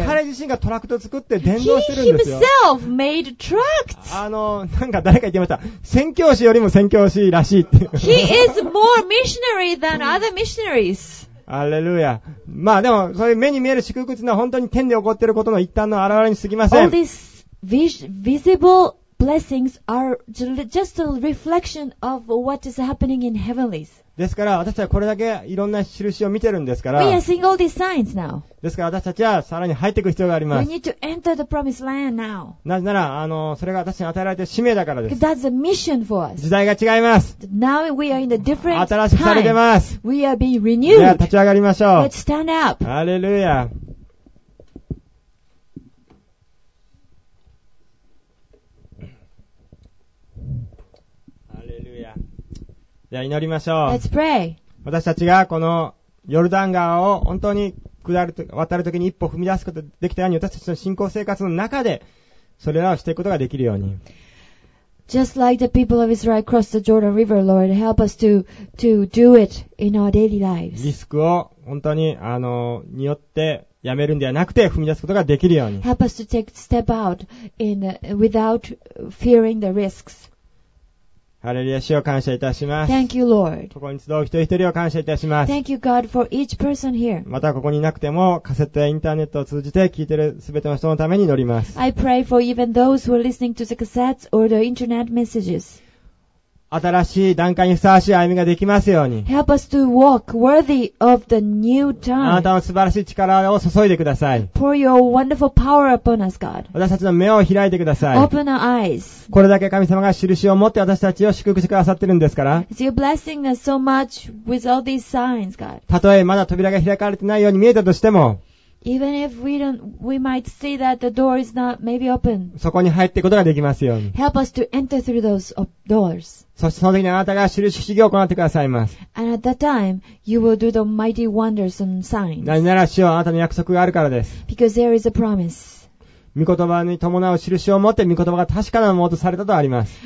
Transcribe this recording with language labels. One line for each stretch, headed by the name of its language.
Japanese: で、彼自身がトラクト作って伝道してるんですよ。
English: He himself made Tracts.
Japanese: なんか誰か言ってました。宣教師よりも宣教師らしいっていう。
English: He is more missionary than other missionaries.
Japanese: アレルヤ。まあでも、そういう目に見える祝福っていうのは本当に天で起こっていることの一端の表れにすぎません。
English: All these visible blessings are just a reflection of what is happening in heavenlies.
Japanese: ですから私たちはこれだけいろんな印を見てるんですから。
English: We are seeing all these signs now.
Japanese: ですから私たちはさらに入っていく必要があります。
English: We need to enter the promised land now.
Japanese: なぜなら、それが私たちに与えられている使命だからです。
English: Because that's a mission for us.
Japanese: 時代が違います。
English: Now we are in a different time.
Japanese: 新しくされてます。
English: We are being renewed.
Japanese: では立ち上がりましょう。
English: Let's stand up.
Japanese: ハレルヤ。じゃあ祈りましょう。
English: Let's pray.
Japanese: 私たちがこのヨルダン川を本当に渡るときに一歩踏み出すことができたように、私たちの信仰生活の中でそれらをしていくことができるように。
English: Just like the people of Israel crossed the Jordan River, Lord, help us to do it in our daily lives.
Japanese: リスクを本当にによってやめるんではなくて踏み出すことができるように。
English: Help us to take step out in without fearing the risks.
Japanese: ハレルヤ主を感謝いたします。
English: Thank you, Lord.
Japanese: ここに集う一人一人を感謝いたします。
English: Thank you, God, for each person here.
Japanese: またここにいなくても、カセットやインターネットを通じて聞いているすべての人のために祈ります。
English: I pray for even those who are listening to the cassettes or the internet messages.
Japanese: 新しい段階にふさわしい歩みができますように。
English: Help us to walk worthy of the new time.
Japanese: あなたの素晴らしい力を注いでください。
English: Pour your wonderful power upon us, God.
Japanese: 私たちの目を開いてください。
English: Open our eyes.
Japanese: これだけ神様が印を持って私たちを祝福してくださってるんですから。たとえまだ扉が開かれてないように見えたとしても、そこに入っていくことができますように。
English: Help us to enter through those doors.
Japanese: そしてその時にあなたが印不思議を行ってくださいます。
English: And at that time, you will do the mighty wonders and signs.
Japanese: なぜなら主はあなたの約束があるからです。
English: Because there is a promise.
Japanese: 御言葉に伴う印を持って御言葉が確かなものとされたとあります。